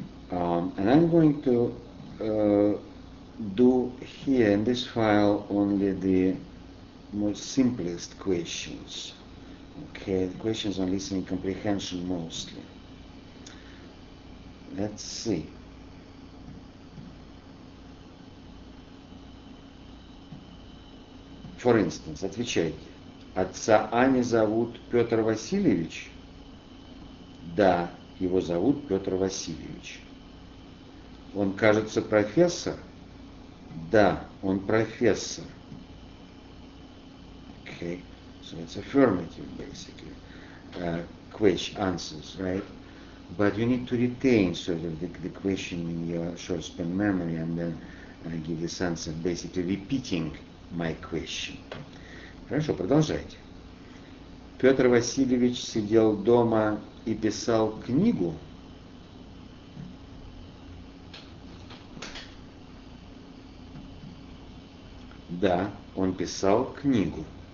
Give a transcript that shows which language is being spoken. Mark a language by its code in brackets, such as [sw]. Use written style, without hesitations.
[en] And I'm going to do here in this file only the most simplest questions. Okay, the questions on listening comprehension mostly. Let's see. For instance, [ru] отвечайте. Отца Ани зовут Петр Васильевич? Да, его зовут Петр Васильевич. Он, кажется, профессор? Да, он профессор. [en] Okay, so it's affirmative, basically. Question, answers, right? But you need to retain sort of the question in your short span memory and then give this answer, basically repeating my question. [ru] Хорошо, продолжайте. Петр Васильевич сидел дома и писал книгу? Да, он писал книгу.